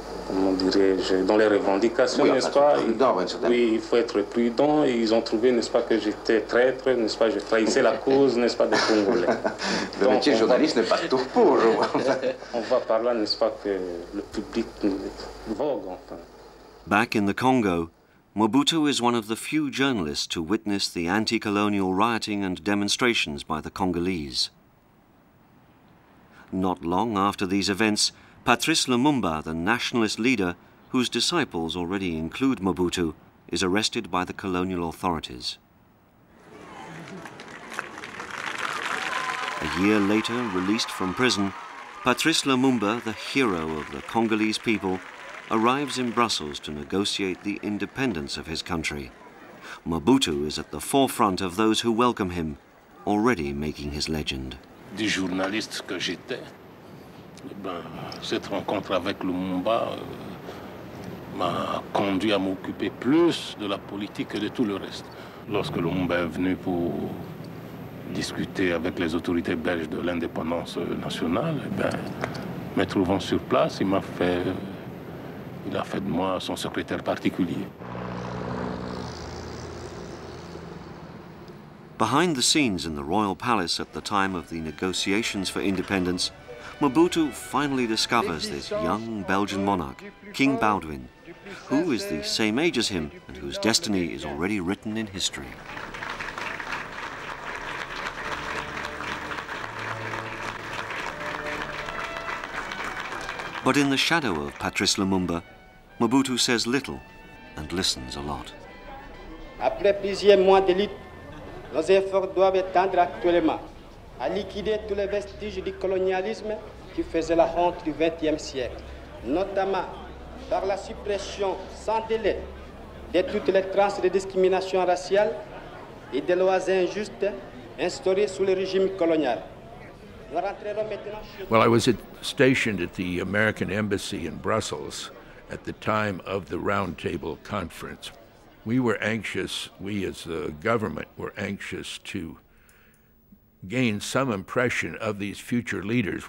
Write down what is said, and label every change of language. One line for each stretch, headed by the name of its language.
French: comment dirais-je, dans les revendications, oui, n'est-ce pas, prudent, ouais, oui, il faut être prudent. Et ils ont trouvé, n'est-ce pas, que j'étais traître, n'est-ce pas, je trahissais la cause, n'est-ce pas, des Congolais. Le donc, métier journaliste n'est pas tout pour, je vois. On voit par là, n'est-ce pas, que le public vogue, enfin.
English: Back in the Congo, Mobutu is one of the few journalists to witness the anti-colonial rioting and demonstrations by the Congolese. Not long after these events, Patrice Lumumba, the nationalist leader, whose disciples already include Mobutu, is arrested by the colonial authorities. A year later, released from prison, Patrice Lumumba, the hero of the Congolese people, arrives in Brussels to negotiate the independence of his country. Mobutu is at the forefront of those who welcome him, already making his legend.
French: Du journaliste que j'étais, ben, cette rencontre avec Lumumba m'a conduit à m'occuper plus de la politique que de tout le reste. Lorsque Lumumba est venu pour discuter avec les autorités belges de l'indépendance nationale, ben, me trouvant sur place, il a fait de moi son secrétaire particulier.
English: Behind the scenes in the Royal Palace at the time of the negotiations for independence, Mobutu finally discovers this young Belgian monarch, King Baudouin, who is the same age as him and whose destiny is already written in history. But in the shadow of Patrice Lumumba, Mobutu says little and listens a lot.
French: After plusieurs mois de lutte, nos efforts doivent tendre actuellement à liquider tous les vestiges du colonialisme qui faisait la honte du XXe siècle, notamment par la suppression sans délai de toutes les traces de discrimination raciale et des lois injustes instaurées sous le régime colonial. Nous rentrerons maintenant chez...
English: Well, I was stationed at the American Embassy in Brussels at the time of the roundtable conference. We were anxious, we as the government were anxious to gain some impression of these future leaders.